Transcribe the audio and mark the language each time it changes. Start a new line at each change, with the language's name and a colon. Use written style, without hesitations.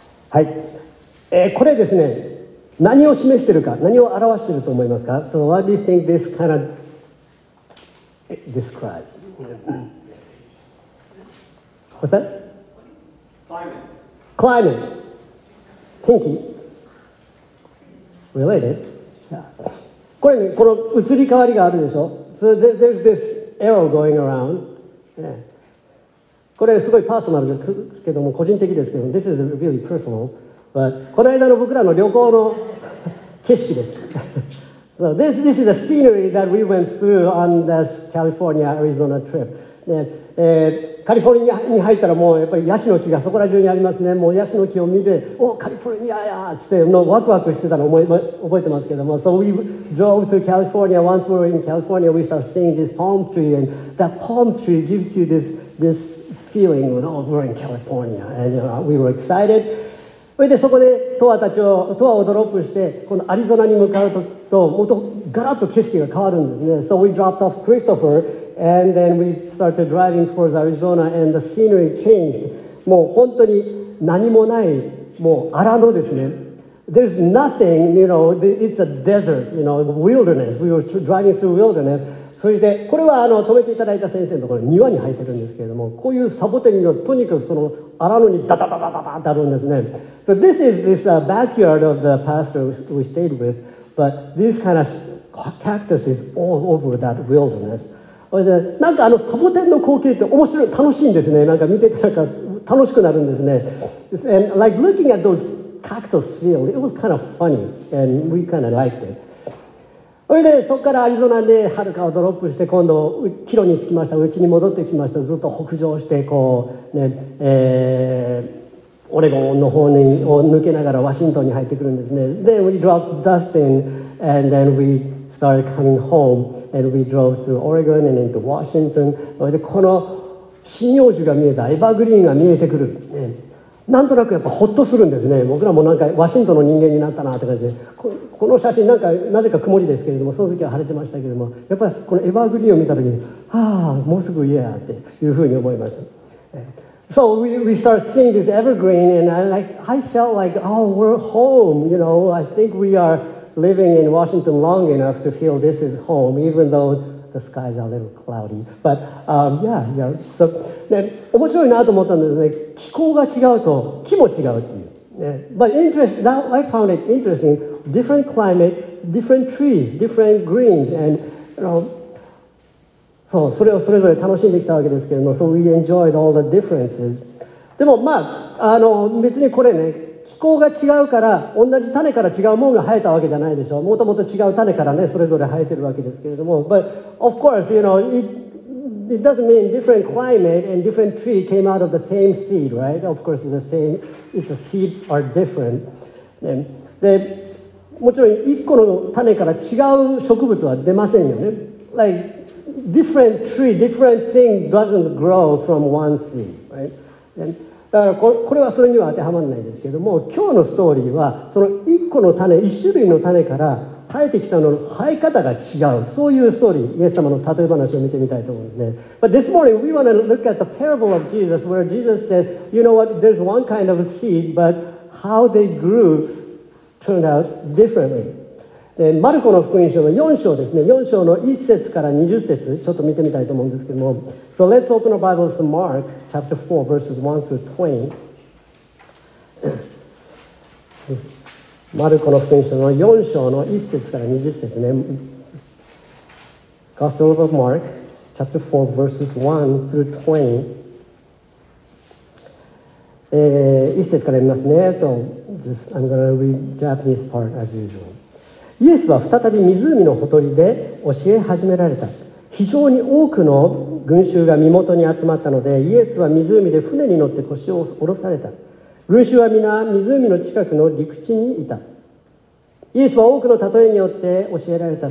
Japanese: はい、これですね、何を示しているか、何を表していると思いますか。
English: So what do you think this kind of describes? What's that? Climate. 天気 Related、yeah.
Japanese: これね、この移り変わりがあるでしょ。
English: So there's this arrow going around、yeah.
Japanese: これすごいパーソナルですけども、個人的ですけども、
English: This is really personal.
Japanese: But この間の僕らの旅行の景色です。
English: So this is the scenery that we went through on this California Arizona trip.
Japanese: で、カリフォルニアに入ったらもうやっぱりヤシの木がそこら中にありますね。もうヤシの木を見て、おカリフォルニアやーってのワクワクしてたの覚えてますけども。
English: So we drove to California. Once we were in California, we started seeing this palm tree, and that palm tree gives you this. Feeling when all were in California, and you know, we were excited.
Japanese: それでそこでトアたちをトアをドロップしてこのアリゾナに向かうと、もっとガラッと景色が変わるんですね。
English: So we dropped off Christopher, and then we started driving towards Arizona, and the scenery changed.
Japanese: もう本当に何もない、もう荒野ですね。
English: There's nothing, you know. It's a desert, you know, wilderness. We were driving through wilderness.
Japanese: それでこれは止めていただいた先生のところ庭に入ってるんですけれども、こういうサボテンがとにかくその荒野にダダダダダダってあるんですね。
English: So this is this backyard of the pastor we stayed with, but these kind of cactus is all over that wilderness.
Japanese: でなんかサボテンの光景って面白い、楽しいんですね。なんか見てたら楽しくなるんですね。
English: And like looking at those cactus field, it was kind of funny, and we kind of liked it.
Japanese: それでそこからアリゾナで遥かをドロップして今度キロに着きました。うちに戻ってきました。ずっと北上してこうね、オレゴンの方にを抜けながらワシントンに入ってくるんですね。
English: Then we dropped Dustin and then we started coming home and we drove through Oregon and into Washington.
Japanese: それでこの針葉樹が見えた、エバーグリーンが見えてくる、ね、なんとなくやっぱホッとするんですね。僕らもなんかワシントンの人間になったなって感じで、この写真なんかなぜか曇りですけれども、その時は晴れてましたけれども、やっぱりこのエバーグリーンを見た時に、はあ、もうすぐ家やっていうふうに思います。
English: So we start seeing this evergreen and I felt like, oh, we're home, you know. I think we are living in Washington long enough to feel this is home, even though the sky is a little cloudy. But yeah.
Japanese: So, ね、面白いなと思ったんですね。気候が違うと木も違うっていう。
English: ね、But I found it interesting. Different climate, different trees, different greens, and you know, so,
Japanese: それをそれぞれ楽しんできたわけですけれども、
English: so we enjoyed all the differences.
Japanese: でもまあ別にこれね、気候が違うから同じ種から違うものが生えたわけじゃないでしょう。もともと違う種からね、それぞれ生えてるわけですけれども、
English: But of course, you know, it doesn't mean different climate and different tree came out of the same seed, right? Of course, the same, it's the seeds are different.
Japanese: で、もちろん一個の種から違う植物は出ませんよね。
English: Like different tree, different thing doesn't grow from one seed, right?
Japanese: だからこれはそれには当てはまらないんですけども、今日のストーリーはその1個の種、1種類の種から生えてきたのの生え方が違う、そういうストーリー、イエス様の例え話を見てみたいと思うんですね。
English: But this morning we want to look at the parable of Jesus where Jesus said, you know what, there's one kind of seed but how they grew turned out differently.
Japanese: でマルコの福音書の4章ですね、4章の1節から20節ちょっと見てみたいと思うんですけども、
English: So let's open our Bibles to Mark chapter 4 verses 1 through 20.
Japanese: マルコの福音書の4章の1節から20節ね。
English: Gospel of Mark chapter 4 verses 1 through 20.
Japanese: 1節から読みますね。
English: So just, I'm going to read Japanese part as usual.
Japanese: イエスは再び湖のほとりで教え始められた。非常に多くの群衆が身元に集まったので、イエスは湖で船に乗って腰を下ろされた。群衆は皆湖の近くの陸地にいた。イエスは多くの例えによって教えられた。